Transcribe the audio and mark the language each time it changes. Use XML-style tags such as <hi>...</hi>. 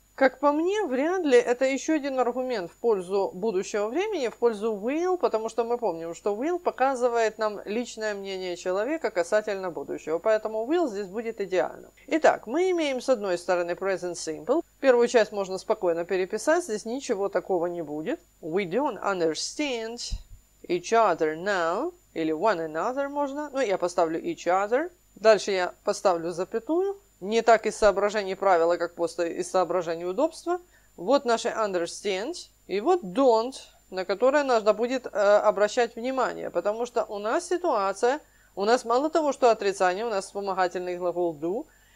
<ru>Как по мне, «вряд ли» — это еще один аргумент в пользу будущего времени, в пользу will, потому что мы помним, что will показывает нам личное мнение человека касательно будущего. Поэтому will здесь будет идеально. Итак, мы имеем с одной стороны present simple. Первую часть можно спокойно переписать, здесь ничего такого не будет.</ru> <en>We don't understand each other now,</en> <ru>или</ru> <en>one another</en> <ru>можно. Ну, я поставлю each other. Дальше я поставлю запятую. Не так из соображений правила, как просто из соображений удобства. Вот наше understand. И вот don't, на которое надо будет обращать внимание. Потому что у нас ситуация, у нас мало того, что отрицание, у нас вспомогательный глагол do.</ru>